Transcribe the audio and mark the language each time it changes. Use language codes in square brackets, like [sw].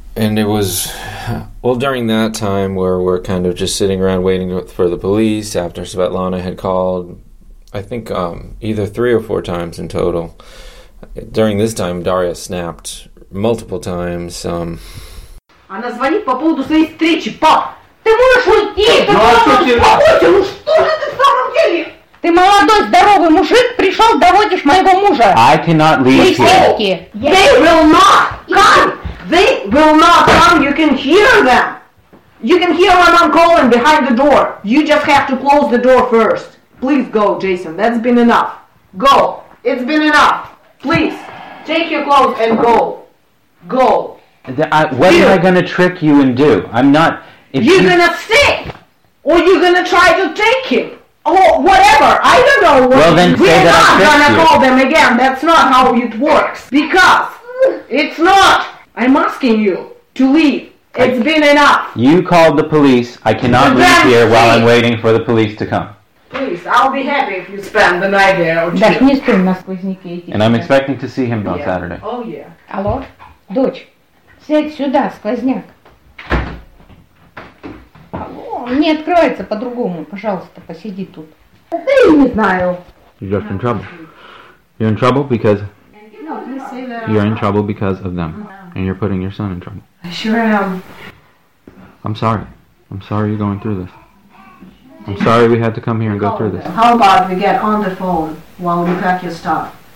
[en] And it was, well, during that time where we're kind of just sitting around waiting for the police after Svetlana had called, I think either 3 or 4 times in total. During this time, Дарья snapped multiple times. [ru] Она звонит по поводу своей встречи. Пап, ты можешь уйти? ну что же ты в самом деле? Ты молодой, здоровый мужик, пришел, доводишь моего мужа. [en] I cannot leave here. [ru] Присядьте. [en] They will not come. They will not come. You can hear them. You can hear my mom calling behind the door. You just have to close the door first. Please go, Jason. That's been enough. Go. It's been enough. Please, take your clothes and go. Go. What am I going to trick you and do? I'm not... You're going to stay. Or you're going to try to take him. Or whatever. I don't know. We're not going to call them again. That's not how it works. Because it's not... I'm asking you to leave. It's been enough. You called the police. I cannot leave here while I'm waiting for the police to come. Please, I'll be happy if you spend the night there. [ru] Да, не стой на сквозняке. [en] And I'm expecting to see him on Saturday. Oh, yeah. [ru] Алло, дочь, сядь сюда, сквозняк. Алло, не откроется по-другому. Пожалуйста, посиди тут. Да я не знаю. [en] You're just in trouble. You're in trouble because... You're in trouble because of them. And you're putting your son in trouble. I sure am. I'm sorry. I'm sorry you're going through this. I'm sorry we had to come here and go through this. How about we get on the phone while we pack your stuff?